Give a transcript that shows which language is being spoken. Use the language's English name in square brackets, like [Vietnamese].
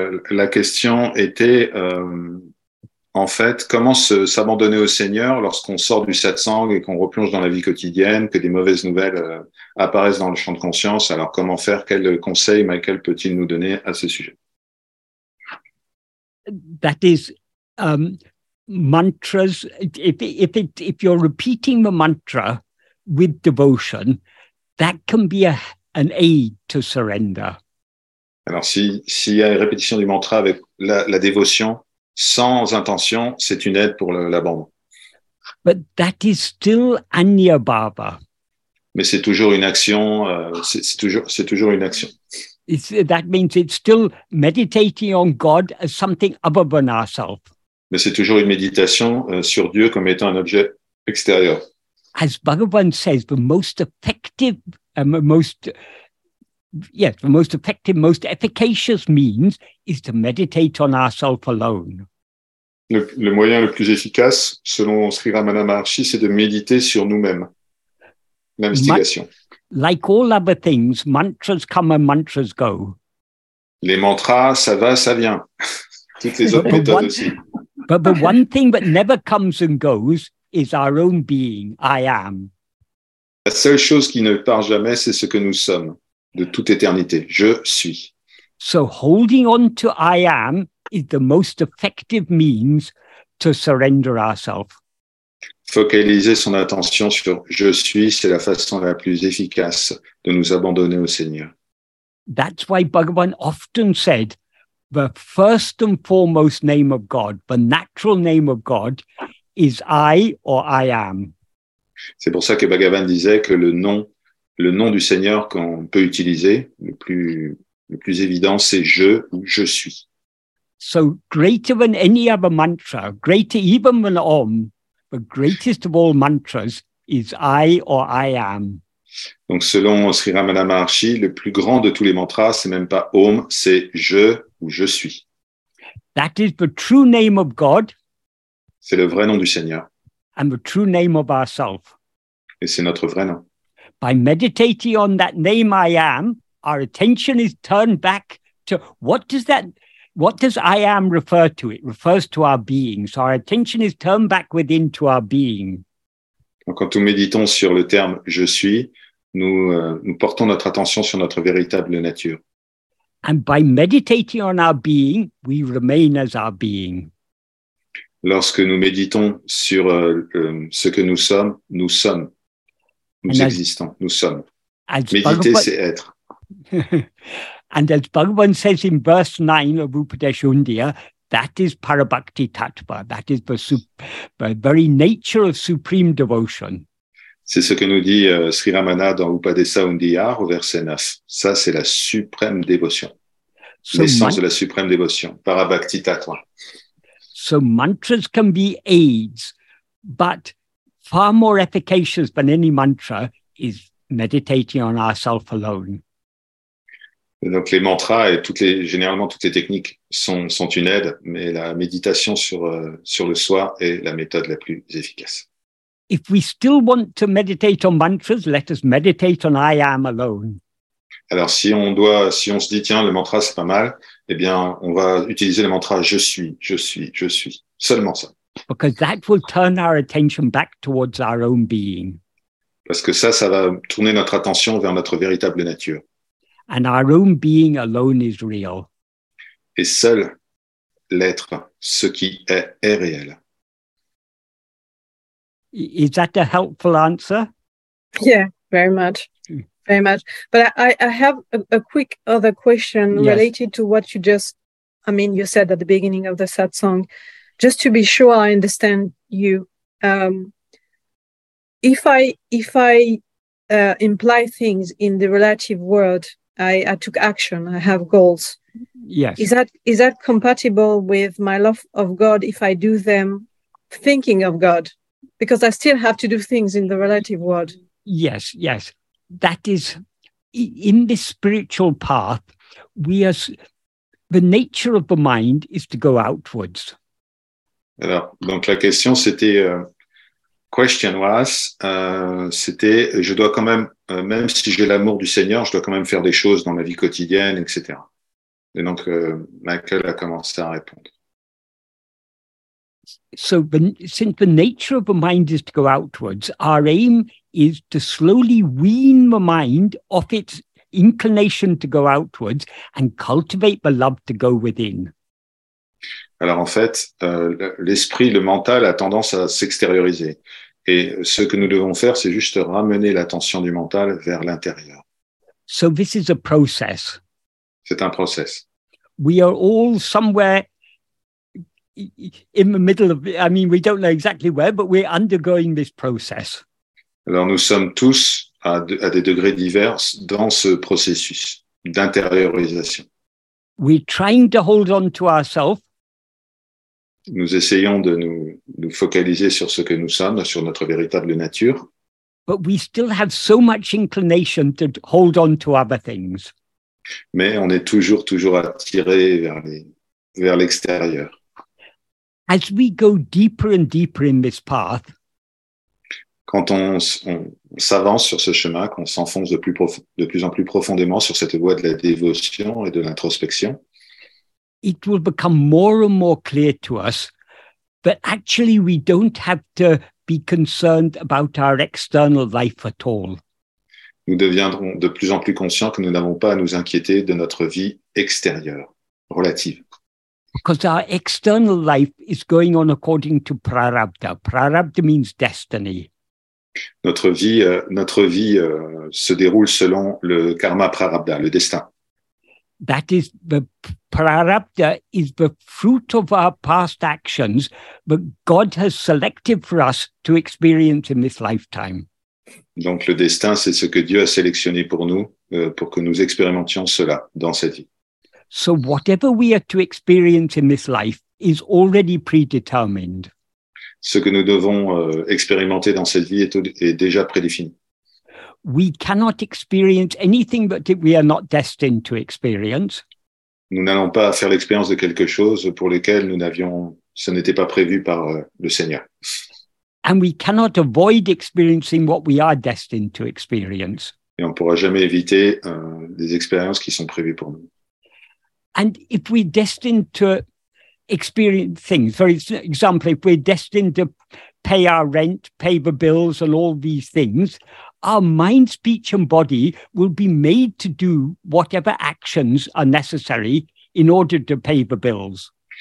[French] La question était, en fait, comment s'abandonner au Seigneur lorsqu'on sort du satsang et qu'on replonge dans la vie quotidienne, que des mauvaises nouvelles apparaissent dans le champ de conscience. Alors, comment faire? Quel conseil, Michael, peut-il nous donner à ce sujet? [English] That is... mantras, if you're repeating the mantra with devotion, that can be an aid to surrender. [French] Alors, s'il y a une répétition du mantra avec la dévotion, sans intention, c'est une aide pour l'abandon. [English] But that is still anyabhava. [French] Mais c'est toujours une action, c'est toujours une action. [English] That means it's still meditating on God as something other than ourselves. [French] Mais c'est toujours une méditation sur Dieu comme étant un objet extérieur. [English] As Bhagavan says, the most effective and most efficacious means is to meditate on ourselves alone. [French] Le moyen le plus efficace, selon Sri Ramana Maharshi, c'est de méditer sur nous-mêmes. L'investigation. [English] Like all other things, mantras come and mantras go. [French] Les mantras, ça va, ça vient. Toutes les autres méthodes aussi. [English] But the one thing that never comes and goes is our own being, I am. [French] La seule chose qui ne part jamais, c'est ce que nous sommes, de toute éternité, je suis. [English] So holding on to I am is the most effective means to surrender ourselves. [French] Focaliser son attention sur je suis, c'est la façon la plus efficace de nous abandonner au Seigneur. [English] That's why Bhagavan often said, the first and foremost name of God, the natural name of God, is I or I am. [French] C'est pour ça que Bhagavan disait que le nom du Seigneur qu'on peut utiliser, le plus évident, c'est je ou je suis. [English] So greater than any other mantra, greater even than Om, the greatest of all mantras is I or I am. [French] Donc selon Sri Ramana Maharshi, le plus grand de tous les mantras, c'est même pas Om, c'est je ou je suis. [English] That is the true name of God. [French] C'est le vrai nom du Seigneur. [English] And the true name of ourselves. [French] Et c'est notre vrai nom. [English] By meditating on that name I am, our attention is turned back to what does I am refer to? It refers to our being. So our attention is turned back within to our being. [French] Quand nous méditons sur le terme je suis, nous portons notre attention sur notre véritable nature. And by meditating on our being, we remain as our being. Lorsque nous méditons sur ce que nous sommes, nous sommes. Nous and existons, as, nous sommes. Méditer, c'est être. [English] And as Bhagavan says in verse 9 of Upadeshundia, that is Parabhakti Tattva. That is the very nature of supreme devotion. [French] C'est ce que nous dit Sri Ramana dans Upadeshundia au verset 9. Ça, c'est la suprême dévotion. So l'essence de la suprême dévotion, Parabhakti Tattva. [English] So mantras can be aids, but far more efficacious than any mantra is meditating on ourselves alone. [French] Donc les mantras et toutes les techniques sont une aide, mais la méditation sur le soi est la méthode la plus efficace. [English] If we still want to meditate on mantras, let us meditate on I am alone. [French] Alors si on se dit tiens le mantra c'est pas mal, eh bien on va utiliser le mantra je suis, je suis, je suis, seulement ça. [English] Because that will turn our attention back towards our own being. [French] Parce que ça va tourner notre attention vers notre véritable nature. [English] And our own being alone is real. [French] Et seul l'être, ce qui est réel. [English] Is that a helpful answer? Yeah, very much. Very much. But I have a quick other question, yes, related to what you just, I mean, you said at the beginning of the satsang. Just to be sure I understand you. If I imply things in the relative world, I took action, I have goals. Yes. Is that compatible with my love of God if I do them thinking of God? Because I still have to do things in the relative world. Yes, yes. That is, in this spiritual path, the nature of the mind is to go outwards. [French] Alors, donc la question c'était, c'était, je dois quand même, même si j'ai l'amour du Seigneur, je dois quand même faire des choses dans ma vie quotidienne, etc. Et donc, Michael a commencé à répondre. [English] So, since the nature of the mind is to go outwards, our aim is to slowly wean the mind off its inclination to go outwards and cultivate the love to go within. [French] Alors en fait, l'esprit, le mental a tendance à s'extérioriser. Et ce que nous devons faire, c'est juste ramener l'attention du mental vers l'intérieur. [English] So this is a process. [French] C'est un process. [English] We are all somewhere in the middle of, I mean, we don't know exactly where, but we're undergoing this process. [French] Alors nous sommes tous à des degrés divers dans ce processus d'intériorisation. [English] We're trying to hold on to ourselves. [French] Nous essayons de nous focaliser sur ce que nous sommes, sur notre véritable nature. [English] But we still have so much inclination to hold on to other things. [French] Mais on est toujours attiré vers l'extérieur. [English] As we go deeper and deeper in this path, [French] quand on s'avance sur ce chemin, qu'on s'enfonce de plus en plus profondément sur cette voie de la dévotion et de l'introspection, [English] it will become more and more clear to us that actually we don't have to be concerned about our external life at all. [French] Nous deviendrons de plus en plus conscients que nous n'avons pas à nous inquiéter de notre vie extérieure, relative. [English] Because our external life is going on according to prarabdha. Prarabdha means destiny. [French] Notre vie se déroule selon le karma prarabdha, le destin. [English] That is, the prarabdha is the fruit of our past actions that God has selected for us to experience in this lifetime. [French] Donc le destin, c'est ce que Dieu a sélectionné pour nous, pour que nous expérimentions cela dans cette vie. [English] So whatever we are to experience in this life is already predetermined. [French] Ce que nous devons expérimenter dans cette vie est déjà prédéfini. [English] We cannot experience anything that we are not destined to experience. [French] Nous n'allons pas faire l'expérience de quelque chose pour lequel nous n'avions, ce n'était pas prévu par le Seigneur. [English] And we cannot avoid experiencing what we are destined to experience. [French] Et on ne pourra jamais éviter des expériences qui sont prévues pour nous. [English] And if we're destined to experience things, for example, if we're destined to pay our rent, pay the bills, and all these things, our mind, speech, and body will be made to do whatever actions are necessary in order to pay the bills.